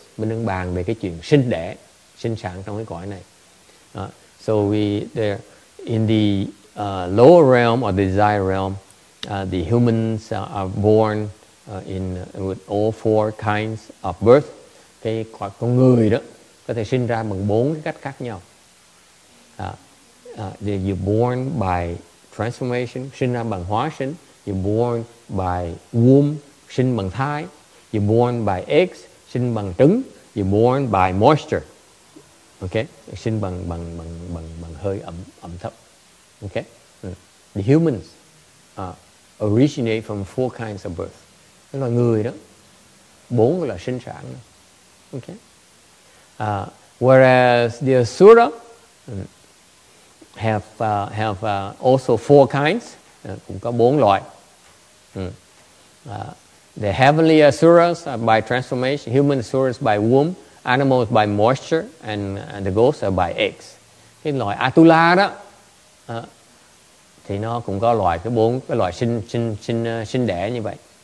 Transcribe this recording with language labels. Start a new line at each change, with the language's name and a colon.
Vietnamese: Mình đang bàn về cái chuyện sinh đẻ, sinh sản trong cái cõi này.
English: So we, there, in the lower realm or the desire realm, the humans are born in with all 4 kinds of birth.
Vietnamese: Cái quả con người đó có thể sinh ra bằng 4 cái cách khác nhau.
English: You're born by transformation,
Vietnamese: sinh ra bằng hóa sinh,
English: You're born by womb,
Vietnamese: sinh bằng thai.
English: You're born by eggs,
Vietnamese: sinh bằng trứng.
English: You're born by moisture. Okay?
Vietnamese: Sinh bằng hơi ẩm thấp. Okay?
English: The humans originate from four kinds of birth.
Vietnamese: Đó là người đó. Bốn là sinh sản. Okay?
English: Whereas the asura have also four kinds.
Vietnamese: Cũng có bốn loại.
English: The heavenly asuras are by transformation, human asuras by womb, animals by moisture, and the ghosts are by eggs.
Vietnamese: Cái loại Atula đó thì nó cũng có loại cái bốn cái loại sinh đẻ như vậy.